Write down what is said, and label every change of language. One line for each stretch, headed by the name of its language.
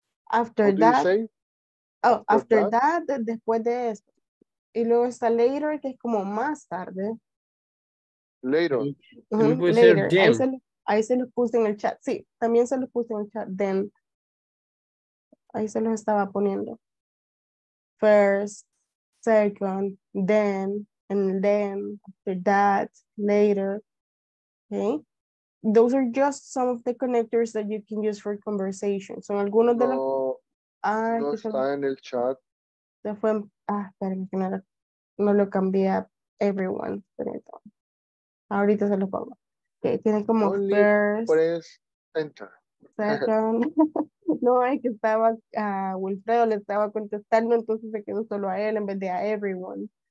English: After that. Oh, after that,
Spanish: después de eso. Y luego está later, que es como más tarde.
English: Later. Later.
Spanish: Ahí se los puse en el chat. Sí, también se los puse en el chat.
English: Then.
Spanish: Ahí se los estaba poniendo.
English: First, second, then, and then, after that, later, okay? Those are just some of the connectors that you can use for conversation.
Spanish: Son algunos de los... No, no está en el chat. Se fue... Ah, espérame, que no lo cambié a everyone. Pero ahorita se lo pongo. Okay, tiene como
English: only first... press enter. Second...
Spanish: No, es que estaba, Wilfredo le estaba contestando, entonces se quedó solo a él en vez de a everyone.